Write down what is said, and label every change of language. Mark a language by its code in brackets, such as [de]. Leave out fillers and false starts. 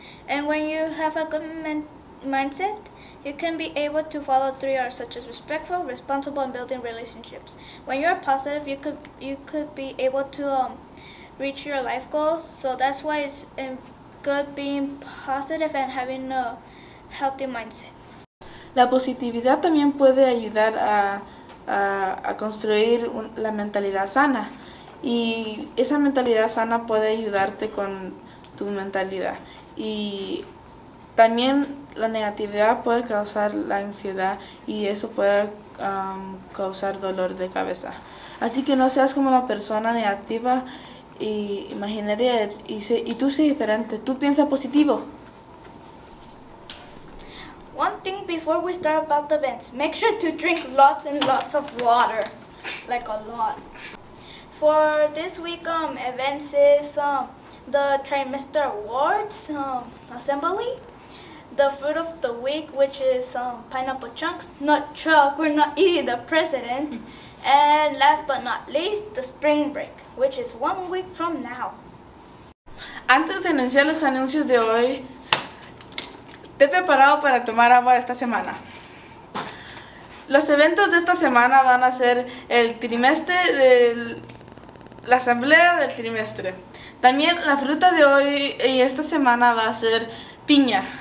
[en] And when you have a good mindset, you can be able to follow 3 R's such as respectful, responsible, and building relationships. When you're positive, you could be able to reach your life goals. So that's why it's good being positive and having a healthy mindset. [es] La positividad también puede ayudar a construir la mentalidad sana, y esa mentalidad sana puede ayudarte con tu mentalidad. Y también la negatividad puede causar la ansiedad y eso puede causar dolor de cabeza. Así que no seas como la persona negativa y imaginaria y tú sé diferente. Tú piensa positivo. [en] One thing before we start about the events, make sure to drink lots and lots of water. Like a lot. For this week, events is the trimester awards assembly. The fruit of the week, which is pineapple chunks, not chalk, we're not eating the president. And last but not least, the spring break, which is 1 week from now. [es] Antes de anunciar los anuncios de hoy, te he preparado para tomar agua esta semana. Los eventos de esta semana van a ser el trimestre de la asamblea del trimestre. También la fruta de hoy y esta semana va a ser piña.